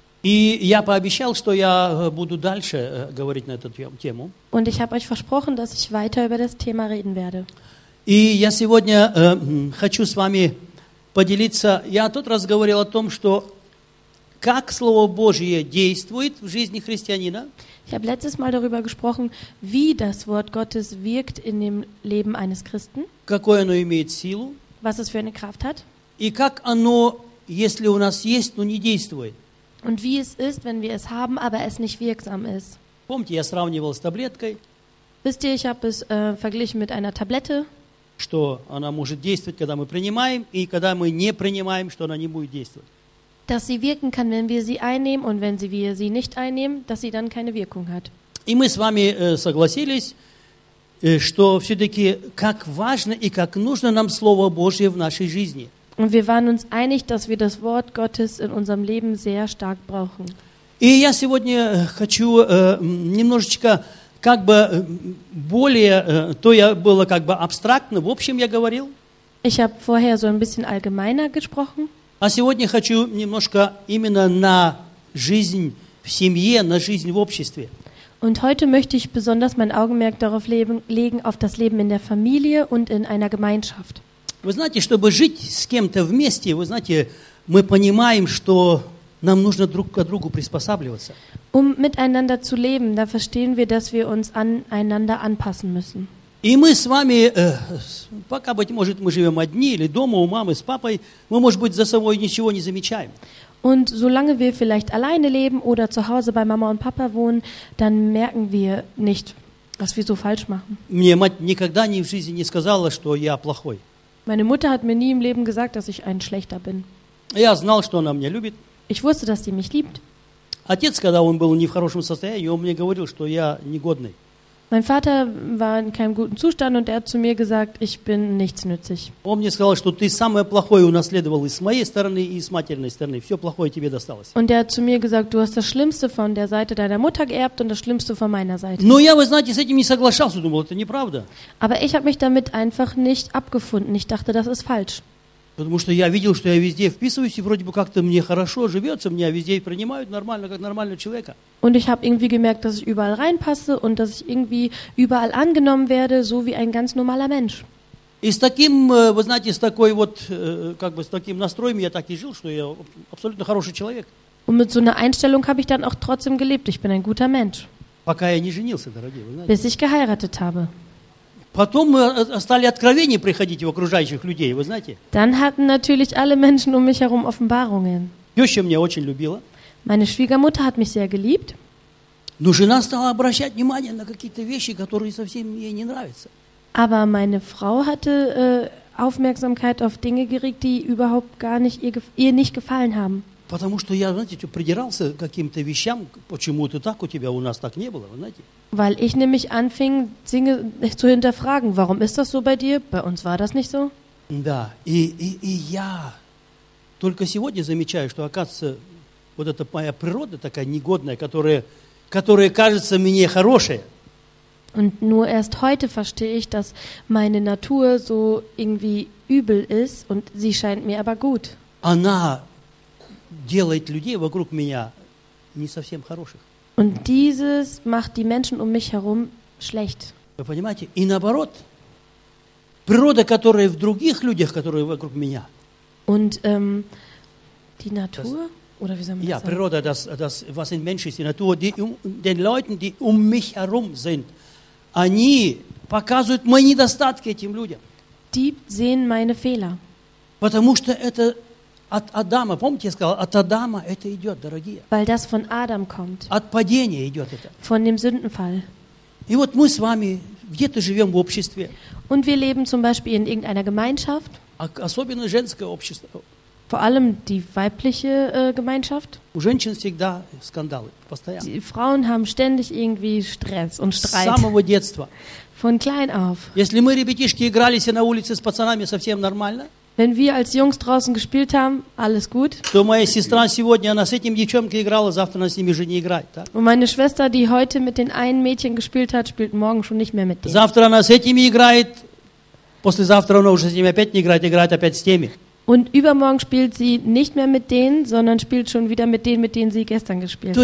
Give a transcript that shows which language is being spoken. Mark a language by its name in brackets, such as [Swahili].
[Russian] И я пообещал, что я буду дальше говорить на эту тему. [German] Und ich habe euch versprochen, dass ich weiter über das Thema reden werde. [Russian] И я сегодня хочу с вами поделиться. Я тот раз говорил о том, что как Слово Божье действует в жизни христианина. [German] Ich habe letztes Mal darüber gesprochen, wie das Wort Gottes wirkt in dem Leben eines Christen. [Russian] Какой оно имеет силу? [German] Was es für eine Kraft hat? [Russian] И как оно, если у нас есть, но не действует? [German] Und wie es ist, wenn wir es haben, aber es nicht wirksam ist. [Russian] Помните, я сравнивал с таблеткой. [German] Wisst ihr, ich habe es verglichen mit einer Tablette. [Russian] Что она может действовать, когда мы принимаем, и когда мы не принимаем, что она не будет действовать. [German] Dass sie wirken kann, wenn wir sie einnehmen, und wenn wir sie nicht einnehmen, dass sie dann keine Wirkung hat. [Russian] И мы с вами согласились, что все-таки как важно и как нужно нам Слово Божье в нашей жизни. [German] Und wir waren uns einig, dass wir das Wort Gottes in unserem Leben sehr stark brauchen. [Russian] И я сегодня хочу немножечко как бы более, то я было как бы абстрактно, в общем я говорил. [German] Ich habe vorher so ein bisschen allgemeiner gesprochen. [Russian] А сегодня хочу немножко именно на жизнь в семье, на жизнь в обществе. [German] Und heute möchte ich besonders mein Augenmerk darauf legen, auf das Leben in der Familie und in einer Gemeinschaft. [Russian] Вы знаете, чтобы жить с кем-то вместе, вы знаете, мы понимаем, что нам нужно друг к другу приспосабливаться. [German] Um miteinander zu leben, da verstehen wir, dass wir uns aneinander anpassen müssen. [Russian] И мы с вами, пока, быть может, мы живем одни или дома у мамы с папой, мы, может быть, за собой ничего не замечаем. [German] Und solange wir vielleicht alleine leben oder zu Hause bei Mama und Papa wohnen, dann merken wir nicht, was wir so falsch machen. [Russian] Мне мать никогда ни в жизни не сказала, что я плохой. [German] Meine Mutter hat mir nie im Leben gesagt, dass ich ein Schlechter bin. [Russian] Я знал, что она меня любит. [German] Ich wusste, dass sie mich liebt. [Russian] Отец, когда он был не в хорошем состоянии, он мне говорил, что я негодный. [German] Mein Vater war in keinem guten Zustand und er hat zu mir gesagt, ich bin nichts nützlich. [Russian] Он мне сказал, что ты самое плохое унаследовал и с моей стороны, и с материной стороны. Все плохое тебе досталось. [German] Und er hat zu mir gesagt, du hast das Schlimmste von der Seite deiner Mutter geerbt und das Schlimmste von meiner Seite. [Russian] Но я, вы знаете, с этим не соглашался, думал, это неправда. [German] Aber ich habe mich damit einfach nicht abgefunden. Ich dachte, das ist falsch. [Russian] Потому что я видел, что я везде вписываюсь, и вроде бы как-то мне хорошо живется, меня везде принимают нормально, как нормального человека. [German] Und ich habe irgendwie gemerkt, dass ich überall reinpasse und dass ich irgendwie überall angenommen werde, so wie ein ganz normaler Mensch. [Russian] И с таким, вы знаете, с такой вот, как бы с таким настроем я так и жил, что я абсолютно хороший человек. [German] Und mit so einer Einstellung habe ich dann auch trotzdem gelebt, ich bin ein guter Mensch. [Russian] Пока я не женился, дорогие, вы знаете. [German] Bis ich geheiratet habe. [Russian] Потом стали откровения приходить у окружающих людей, вы знаете. [German] Dann hatten natürlich alle Menschen um mich herum Offenbarungen. [Russian] Тёща меня очень любила. [German] Meine Schwiegermutter hat mich sehr geliebt. [Russian] Но жена стала обращать внимание на какие-то вещи, которые совсем ей не нравятся. [German] Aber meine Frau hatte Aufmerksamkeit auf Dinge geregt, die überhaupt gar nicht ihr nicht gefallen haben. [Russian] Потому что я, знаете, придирался к каким-то вещам, почему это так у тебя, у нас так не было, вы знаете. [German] Weil ich nämlich anfing, Dinge zu hinterfragen. Warum ist das so bei dir? Bei uns war das nicht so. [Russian] Да, и я только сегодня замечаю, что, оказывается, вот эта моя природа такая негодная, которая кажется мне хорошая. [German] Und nur erst heute verstehe ich, dass meine Natur so irgendwie übel ist und sie scheint mir aber gut. [Russian] Она делает людей вокруг меня не совсем хороших. [German] Und dieses macht die Menschen um mich herum schlecht. [Russian] Вы понимаете? И наоборот, природа, которая в других людях, которые вокруг меня. [German] Und die Natur, oder wie soll man das sagen? Ja, природа, das was in Menschen ist, die Natur, den Leuten, die um mich herum sind, [Russian] они показывают мои недостатки этим людям. [German] Die sehen meine Fehler. [Russian] Потому что это от Адама, помните, я сказал, от Адама это идет, дорогие. [German] Weil das von Adam kommt. [Russian] От падения идет это. [German] Von dem Sündenfall. [Russian] И вот мы с вами где-то живем в обществе. [German] Und wir leben zum Beispiel in irgendeiner Gemeinschaft. [Russian] Особенно женское общество. [German] Vor allem die weibliche Gemeinschaft. [Russian] У женщин всегда скандалы, постоянно. [German] Die Frauen haben ständig irgendwie Stress und Streit. [Russian] С самого детства. [German] Von klein auf. [Russian] Если мы, ребятишки, игрались на улице с пацанами совсем нормально. [German] Wenn wir als Jungs draußen gespielt haben, alles gut. [Russian] То моя сестра сегодня, она с этим девчонкой играла, завтра она с ними уже не играет. Так? [German] Und meine Schwester, die heute mit den einen Mädchen gespielt hat, spielt morgen schon nicht mehr mit denen. [Russian] Завтра она с этими играет, послезавтра она уже с ними опять не играет, играет опять с теми. [German] Und übermorgen spielt sie nicht mehr mit denen, sondern spielt schon wieder mit denen sie gestern gespielt hat.